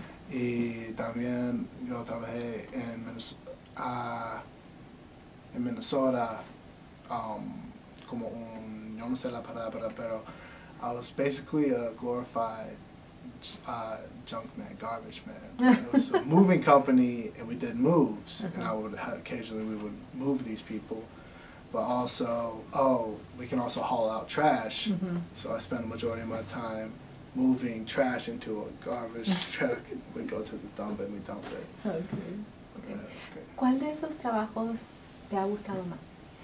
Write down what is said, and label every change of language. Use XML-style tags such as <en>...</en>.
<es>Y también yo trabajé en Minnesota como un, yo no sé la palabra, pero</es> <en>I was basically a glorified junk man, garbage man. It was a moving company and we did moves. And I would occasionally we would move these people. But also, we can also haul out trash. So I spent the majority of my time moving trash into a garbage truck. We go to the dump and we dump it. Okay. Yeah, that's great.</en> <es>¿Cuál de esos trabajos te ha gustado más?</es>